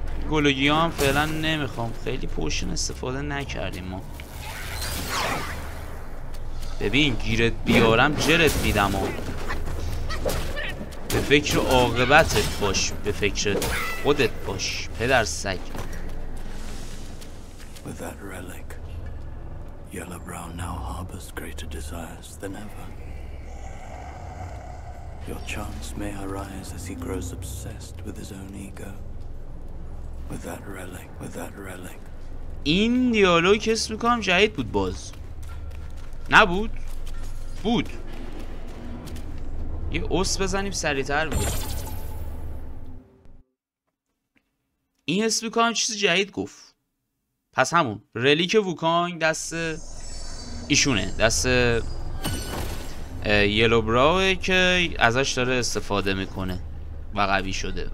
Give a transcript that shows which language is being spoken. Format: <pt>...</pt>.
<fa>گلوگی هم فعلا نمیخوام، خیلی پوشن استفاده نکردیم ما. ببین گیرت بیارم جرت میدم. به فکر عاقبتت باش، به فکر خودت باش پدر سگ.</fa> <en>With that relic, Yellow Brown now harbors greater desires than ever. Your chance may arise as he grows obsessed with his own ego. With that relic, with that relic.</en> <fa>این دیالوگ حس میکنم جدید بود باز. نبود؟ بود. یه اوس بزنیم سریعتر بود. این حس میکنم چیز جدید گفت. پس همون ریلیک ووکانگ دست ایشونه، دست یلو براوه که ازش داره استفاده میکنه و قوی شده.</fa>